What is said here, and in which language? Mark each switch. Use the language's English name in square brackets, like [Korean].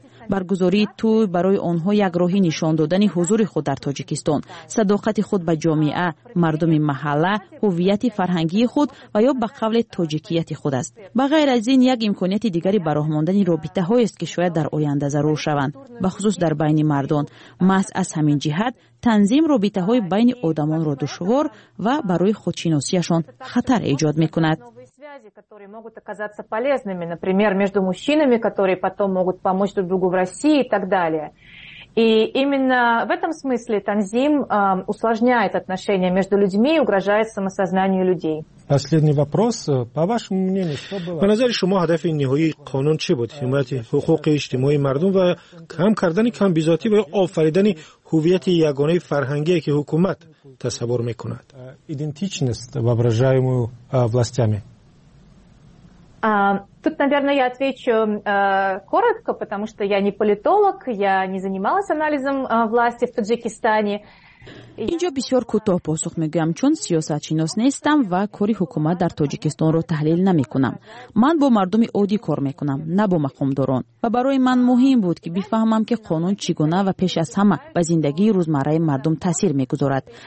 [Tajik] Баргузории туй барои онҳо як роҳи нишон додани ҳузури худ дар Тоҷикистон, садоқати худ ба ҷомеа, мардуми маҳалла, ҳувияти фарҳангии худ ва ё ба қавле тоҷикияти худ аст. Ба ғайр аз ин, як имконияти дигари ба роҳ мондани робитаҳоест, ки шояд дар оянда зарур шаванд, ба хусус дар байни мардон. Маҳз аз ҳамин ҷиҳат танзим робитаҳои байни одамонро душвор ва барои худшиносиашон хатар эҷод мекунад. [Russian] Которые могут оказаться полезными, например, между мужчинами, которые потом могут помочь друг другу в России и так далее. И именно в этом смысле танзим усложняет отношения между людьми и угрожает самосознанию людей. Последний вопрос. По вашему мнению, что было? [Tajik] По назаре шума, хадафи нихуи канун че будет? Химаяти хукуки иштимои мардум ва кам кардани кам бизоти ва офаридани хувияти ягонаи фарханги, ки хукумат тасаввур мекунад. [Russian] Идентичност, воображаемую властями. Тут, наверное, я отвечу коротко, потому что я не политолог, я не занималась анализом власти в Таджикистане. [Tajik] Инҷо бисёр кӯтоҳ посух мегӯям, чун сиёсатшинос нестам ва кори ҳукумат дар Тоҷикистонро таҳлил намекунам. Ман бо мардуми оддӣ кор мекунам, на бо мақомдорон. Ва барои ман муҳим буд ки бифаҳмам, ки қонун чӣ гуна ва пеш аз ҳама ба зиндагии рӯзмарраи мардум таъсир мегузорад.